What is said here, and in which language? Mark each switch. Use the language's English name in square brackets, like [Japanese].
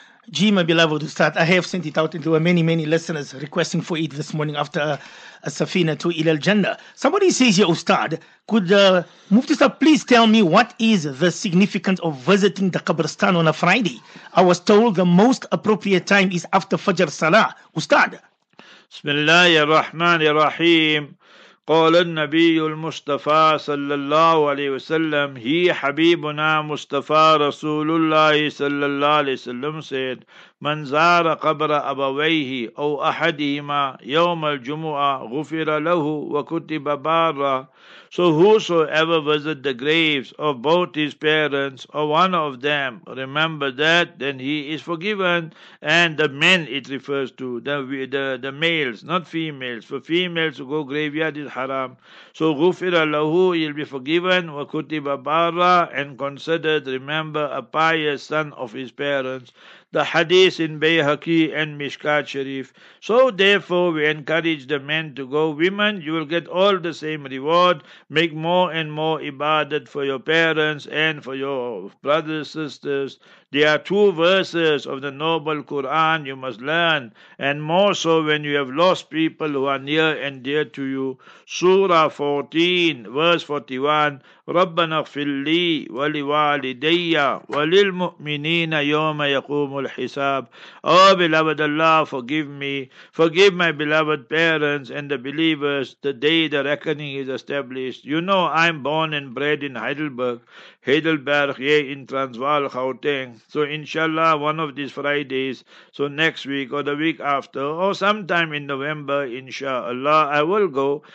[English] Gee, my beloved Ustad, I have sent it out, and there were many, many listeners requesting for it this morning after a safina to Ilal Jannah. Somebody says here, Ustad, could Mufti Ustad please tell me what is the significance of visiting the Qabristan on a Friday? I was told the most appropriate time is after Fajr Salah. Ustad. Bismillah ar-Rahman ar-Rahim. [Arabic] قال النبي المصطفى صلى الله عليه وسلم هي حبيبنا مصطفى رسول الله صلى الله عليه وسلم [English] said [Arabic] من زار قبر أبويه أو أحدهما يوم الجمعة غفر له وكتب بارا. [English] So whosoever visit the graves of both his parents or one of them, remember that, then he is forgiven. And the men it refers to, the males, not females. For females to go graveyard is haram. So [Arabic] غفر له, [English] he'll be forgiven, [Arabic] وكتب بارا, [English] and considered, remember, a pious son of his parents. The hadith in Bayhaqi and Mishkat Sharif. So therefore we encourage the men to go. Women, you will get all the same reward. Make more and more ibadat for your parents and for your brothers, sisters. There are 2 verses of the noble Quran you must learn, and more so when you have lost people who are near and dear to you. [Arabic] Surah 14, verse 41, رَبَّنَا اغْفِرْ لِي وَلِوَالِدَيَّ وَلِلْمُؤْمِنِينَ يَوْمَ يَقُومُ الْحِسَابُ. [English] Oh, beloved Allah, forgive me. Forgive my beloved parents and the believers the day the reckoning is established. You know I'm born and bred in Heidelberg, yea, in Transvaal, Gauteng. So inshallah, one of these Fridays, so next week or the week after, or sometime in November, inshallah, I will go.